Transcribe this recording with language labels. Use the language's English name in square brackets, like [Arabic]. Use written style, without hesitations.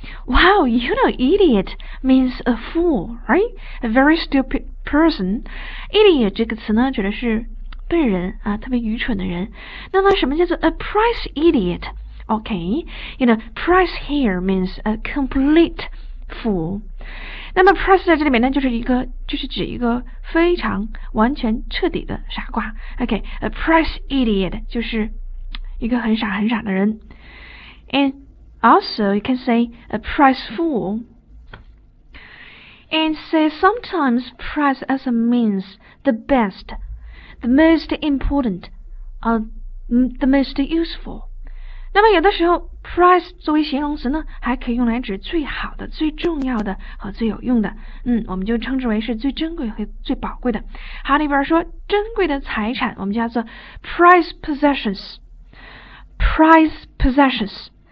[English] Wow, you know idiot means a fool, right? A very stupid person. [Chinese] Idiot 这个词呢指的是笨人啊，特别愚蠢的人。那么什么叫做 a prize idiot? [English] Okay, you know, prize here means a complete fool. [Chinese] 那么 prize 在这里面呢就是一个就是指一个非常完全彻底的傻瓜。 OK, a prize idiot 就是一个很傻很傻的人。 [English] And also you can say a prize fool. And say sometimes prize as a means the best, the most important, or the most useful. [Chinese] 那么有的时候 prize 作为形容词呢还可以用来指最好的最重要的和最有用的。我们就称之为是最珍贵和最宝贵的。好，里边说珍贵的财产我们叫做 prize possessions, prize possessions。